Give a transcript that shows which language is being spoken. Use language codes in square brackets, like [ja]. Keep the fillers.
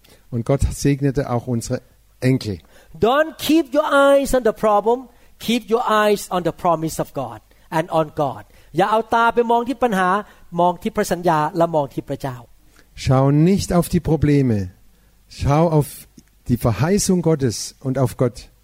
[de] Und Gott segnete auch unsere Enkel. [en] Don't keep your eyes on the problem, keep your eyes on the promise of God and on God. [th] อย่าเอาตาไปมองที่ปัญหามองที่พระสัญญาและมองที่พระเจ้า [de] Schau nicht auf die Probleme. Schau auf die Verheißung Gottes und auf Gott.